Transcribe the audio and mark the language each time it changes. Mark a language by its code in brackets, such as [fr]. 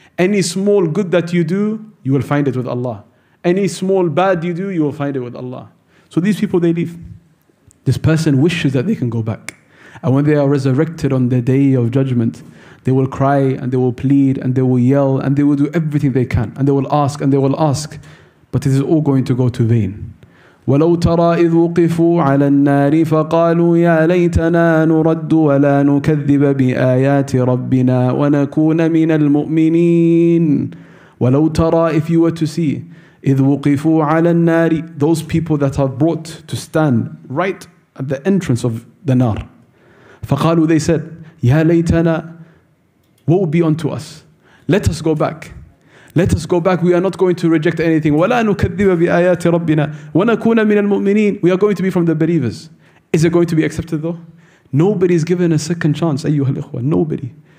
[en] Any small good that you do, you will find it with Allah. Any small bad you do, you will find it with Allah. So these people, they leave. This person wishes that they can go back. And when they are resurrected on the day of judgment, they will cry and they will plead and they will yell and they will do everything they can. And they will ask and they will ask. But it is all going to go to vain. [ar] وَلَوْ تَرَى إِذْ وُقِفُوا عَلَى النَّارِ فَقَالُوا يَا لَيْتَنَا نُرَدُّ وَلَا نُكَذِّبَ بِآيَاتِ رَبِّنَا وَنَكُونَ مِنَ الْمُؤْمِنِينَ وَلَوْ تَرَى [en] if you were to see [ar] إِذْ وُقِفُوا عَلَى النَّارِ [en] those people that are brought to stand right at the entrance of the nar. [ar] فَقَالُوا [en] they said [ar] يَا لَيْتَنَا [en] woe be unto us. Let us go back. Let us go back. We are not going to reject anything. [ar] وَلَا نُكَذِّبَ بِآيَاتِ رَبِّنَا وَنَكُونَ مِنَ الْمُؤْمِنِينَ [en] We are going to be from the believers. Is it going to be accepted though? Nobody is given a second chance, [ar] أيها الإخوة. [en] Nobody.